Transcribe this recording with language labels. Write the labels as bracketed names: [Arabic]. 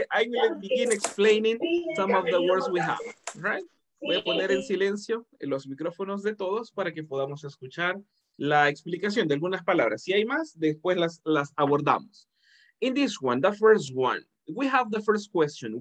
[English] I will begin explaining some of the words we have. Right? [Spanish] Voy a poner en silencio los micrófonos de todos para que podamos escuchar la explicación de algunas palabras. Si hay más, después las abordamos. [English] In this one, the first one, we have the first question.